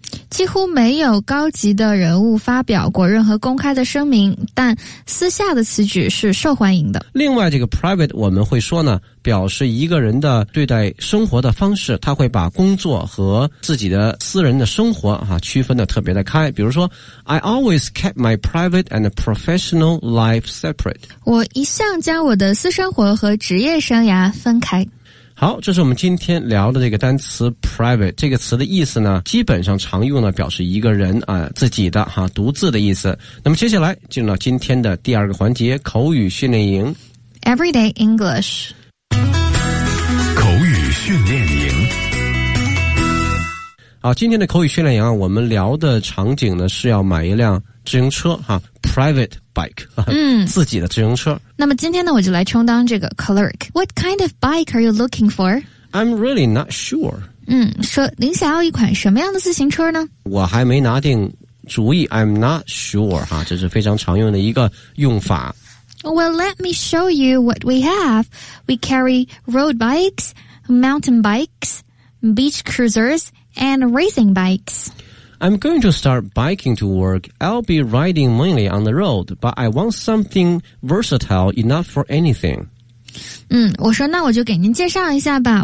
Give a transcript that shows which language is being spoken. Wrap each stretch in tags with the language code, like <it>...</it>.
<zh>几乎没有高级的人物发表过任何公开的声明，但私下的此举是受欢迎的。另外这个 private 我们会说呢，表示一个人的对待生活的方式，他会把工作和自己的私人的生活啊区分的特别的开。比如说</zh> <en>I always kept my private and professional life separate，</en> <zh>我一向将我的私生活和职业生涯分开。好，这是我们今天聊的这个单词 private。这个词的意思呢，基本上常用呢表示一个人啊自己的哈、独自的意思。那么接下来进入到今天的第二个环节，口语训练营</zh> <en>Everyday English。</en> <zh>口语训练营。好，今天的口语训练营啊，我们聊的场景呢是要买一辆自行车哈、private bike， 自己的自行车。那么今天呢，我就来充当这个 clerk。</zh> <en>What kind of bike are you looking for? I'm really not sure。</en> <zh>说您想要一款什么样的自行车呢？我还没拿定主意。</zh> <en>I'm not sure</en> <zh>哈，这是非常常用的一个用法。</zh> <en>Well, let me show you what we have. We carry road bikes, mountain bikes, beach cruisers, and racing bikes. I'm going to start biking to work. I'll be riding mainly on the road, but I want something versatile enough for anything.</en> <zh>我说那我就给您介绍一下吧。</zh>